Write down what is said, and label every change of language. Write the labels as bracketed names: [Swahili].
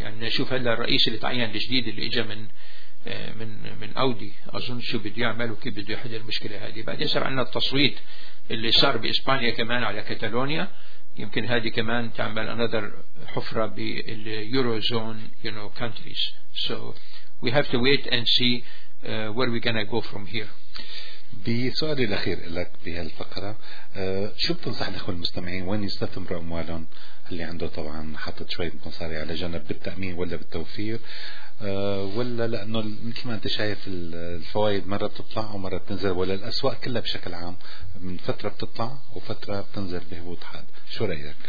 [Arabic] يعني نشوف هلا الرئيس اللي تعين الجديد اللي إجا من من من أودي أظن شو بده يعمل وكيف بده يحل المشكلة هذه. بعدين صار عندنا التصويت اللي صار بإسبانيا كمان على كاتالونيا, يمكن هذه كمان تعمل another حفرة باليوروزون [English] you know countries. So we have to wait and see where we gonna go from here. [Arabic] بسؤالي الأخير لك بهالفقرة, شو بتنصح الأخوة المستمعين وين يستثمر أموالهم اللي عنده طبعا حطت شوية مصاري على جنب بالتأمين ولا بالتوفير, ولا لأنه كما أنت شايف الفوائد مرة بتطلع ومرة بتنزل, ولا الأسواق كلها بشكل عام من فترة بتطلع وفترة بتنزل بهبوط حاد, شو رأيك؟